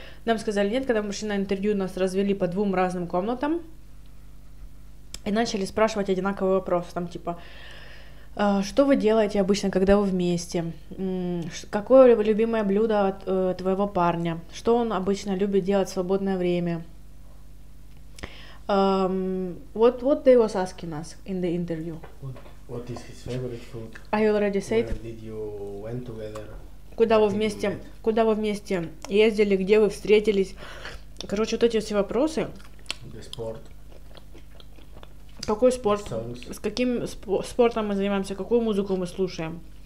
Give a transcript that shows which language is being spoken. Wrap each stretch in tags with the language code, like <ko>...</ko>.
<ru>Нам сказали нет, когда мужчина интервью нас развели по двум разным комнатам и начали спрашивать одинаковый вопрос, там типа, что вы делаете обычно, когда вы вместе? Какое любимое блюдо от твоего парня? Что он обычно любит делать в свободное время?</ru> <en>What they was asking us in the interview? What is his favorite food? I already said. Where did you went together?</en> <ru>Куда вы вместе ездили? Где вы встретились? Короче, вот эти все вопросы.</ru> <en>The sport.</en> <ru>Какой спорт? С каким спортом мы занимаемся? Какую музыку мы слушаем?</ru>